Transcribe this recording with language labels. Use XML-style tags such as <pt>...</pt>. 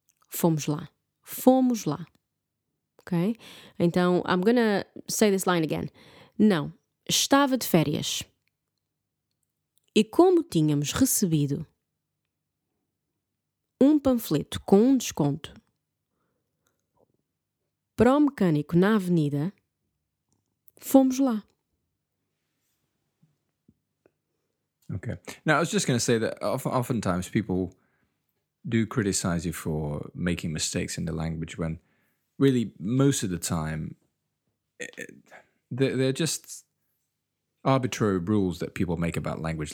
<pt>Fomos lá. Okay?</pt> <en>Então, I'm going to say this line again.</en> <pt>Não, estava de férias. E como tínhamos recebido panfleto com desconto para o mecânico na avenida, fomos lá.</pt> <en>Okay. Now, I was just going to say that oftentimes people do criticize you for making mistakes in the language when really most of the time they're just arbitrary rules that people make about language.</en>